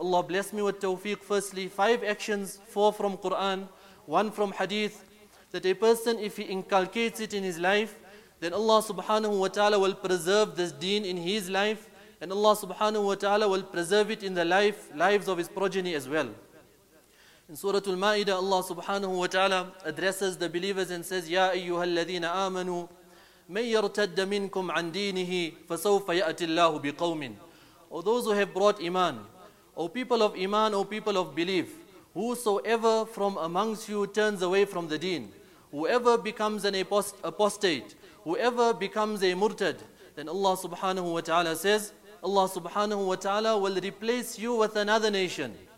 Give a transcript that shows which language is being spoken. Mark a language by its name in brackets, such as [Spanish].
[English] Allah bless me with tawfiq. Firstly, 5 actions, 4 from Quran, 1 from Hadith, that a person, if he inculcates it in his life, then Allah subhanahu wa ta'ala will preserve this deen in his life, and Allah subhanahu wa ta'ala will preserve it in the lives of his progeny as well. In Surah Al-Ma'idah, Allah subhanahu wa ta'ala addresses the believers and says, [Arabic] يَا أَيُّهَا الَّذِينَ آمَنُوا مَنْ يَرْتَدَّ مِنْكُمْ عَنْ دِينِهِ فَسَوْفَ يَأْتِ اللَّهُ بِقَوْمٍ. [English] O those who have brought iman, O people of iman, O people of belief, whosoever from amongst you turns away from the deen, whoever becomes an apostate, whoever becomes a murtad, then Allah subhanahu wa ta'ala says, Allah subhanahu wa ta'ala will replace you with another nation.